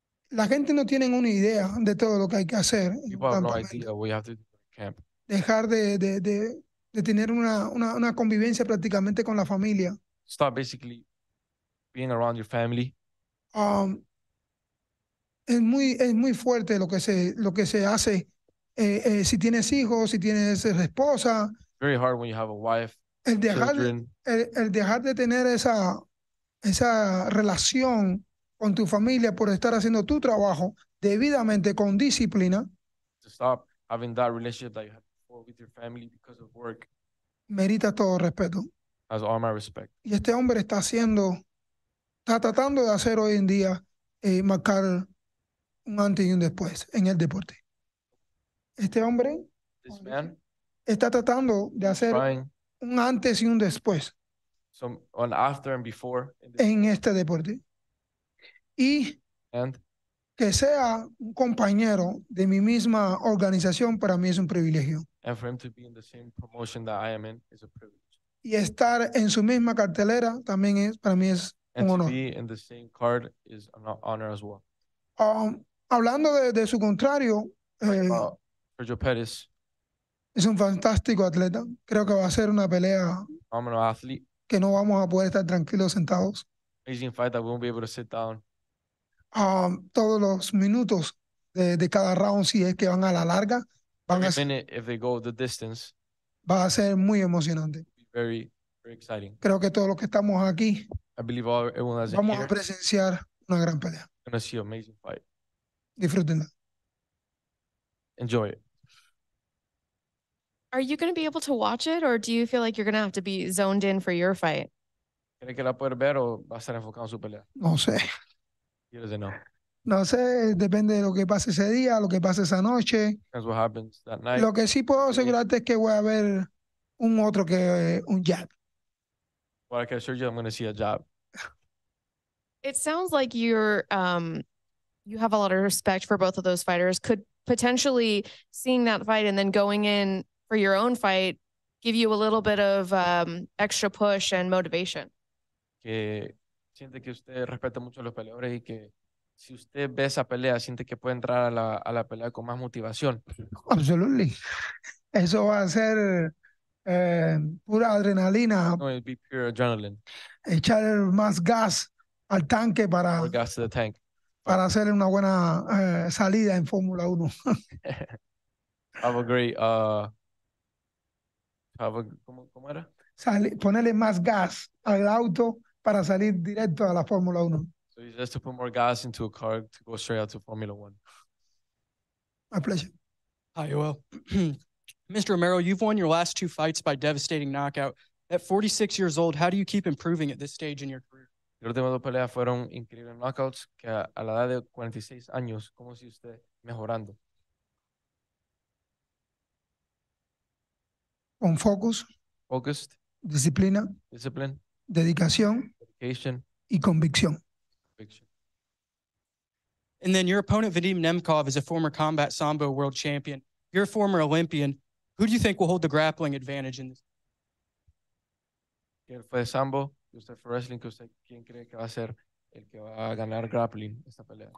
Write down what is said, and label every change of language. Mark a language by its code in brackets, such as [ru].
[es] La gente no tiene una idea de todo lo que hay que hacer. [en] People have no idea what you have to do in camp. [es] Dejar de tener una convivencia prácticamente con la familia. [en] Stop basically. Being around your family. [es] Es muy fuerte lo que se hace si tienes hijos, si tienes esposa. [en] Very hard when you have a wife. [es] El dejar [en] children. [es] El dejar de tener esa relación con tu familia por estar haciendo tu trabajo debidamente con disciplina. [en] To stop having that relationship that you had before with your family because of work. [es] Merita todo respeto. [en] Has all my respect. [es] Y este hombre está haciendo. Está tratando de hacer hoy en día marcar un antes y un después en el deporte. este hombre [en] this man, [es] está tratando de hacer un antes y un después [en] on after and before [es] en este deporte y [en] and, [es] que sea un compañero de mi misma organización para mí es un privilegio [en] and for him to be in the same promotion that I am in is a privilege [es] y estar en su misma cartelera también es para mí es [en] and [es] un honor [en] to be in the same card is an honor as well [es] hablando de su contrario Sergio Pettis es un fantástico atleta creo que va a ser una pelea [en] phenomenal athlete [es] que no vamos a poder estar tranquilos sentados [en] amazing fight that we won't be able to sit down [es] todos los minutos de cada round si es que van a la larga van [en] every a minute if they go the distance [es] va a ser muy emocionante [en] very very exciting [es] creo que todos los que estamos aquí [en] I believe all everyone that's [es] vamos [en] here, [es] a presenciar una gran pelea [en] gonna see an amazing fight [es] disfrútenla [en] enjoy it are you going to be able to watch it or do you feel like you're going to have to be zoned in for your fight [es] ¿cree que la puede ver o va a estar enfocado en su pelea no sé No sé, depende de lo que pase ese día, lo que pase esa noche. [en] That's what happens that night. [es] Lo que sí puedo asegurarte es que voy a ver un otro que un jab. [en] Well, I can assure you I'm going to see a jab. It sounds like you have a lot of respect for both of those fighters. Could potentially seeing that fight and then going in for your own fight give you a little bit of extra push and motivation? [es] Que... Siente que usted respeta mucho a los peleadores y que si usted ve esa pelea, siente que puede entrar a la pelea con más motivación. [en] Absolutely. [es] Eso va a ser pura adrenalina. [en] No, it'll be pure adrenaline. [es] Echar más gas al tanque para... [en] More gas to the tank. [es] Para hacer una buena salida en Fórmula 1. [en] Have a great... [es] ¿cómo era? Ponerle más gas al auto... Para salir directo a la Fórmula 1. [en] So he says to put more gas into a car to go straight out to Formula 1. My pleasure. Hi, Yoel. Mr. Romero, you've won your last two fights by devastating knockout. At 46 years old, how do you keep improving at this stage in your career? [es] Los últimos dos peleas fueron increíbles knockouts que a la edad de 46 años, ¿cómo sigue usted mejorando? Con focus. [en] Focused. [es] Disciplina. [en] Discipline. [es] Dedicación [en] Dedication. [es] Y convicción. [en] Conviction. And then your opponent, Vadim Nemkov, is a former combat sambo world champion. You're a former Olympian. Who do you think will hold the grappling advantage in this? [es] ¿Quién fue de sambo? ¿Usted fue wrestling? ¿Quién cree que va a ser el que va a ganar grappling esta pelea?